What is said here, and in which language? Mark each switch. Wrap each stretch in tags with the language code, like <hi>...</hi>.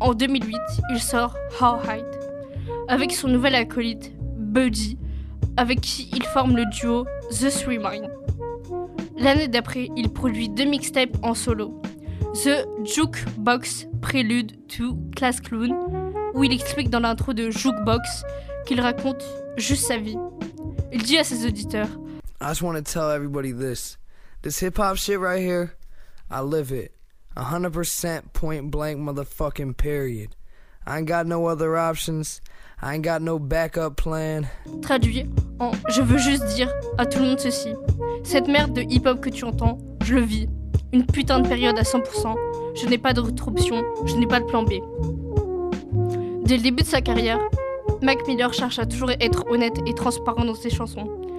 <fr>En 2008, il sort « How High » avec son nouvel acolyte, Buddy, avec qui il forme le duo « The Three Mind ». L'année d'après, il produit deux mixtapes en solo, « The Jukebox Prelude to Class Clown », où il explique dans l'intro de « Jukebox » qu'il raconte juste sa vie. Il dit à ses auditeurs «</fr> <en>I just want to tell everybody this. This hip-hop shit right here, I live it. 100% point blank motherfucking period. I ain't got no other options. I ain't got no backup plan. »</en> <fr>Traduit en « Je veux juste dire à tout le monde ceci. Cette merde de hip-hop que tu entends, je le vis. Une putain de période à 100%. Je n'ai pas d'autre option. Je n'ai pas de plan B. » Dès le début de sa carrière, Mac Miller cherche à toujours être honnête et transparent dans ses chansons.</fr>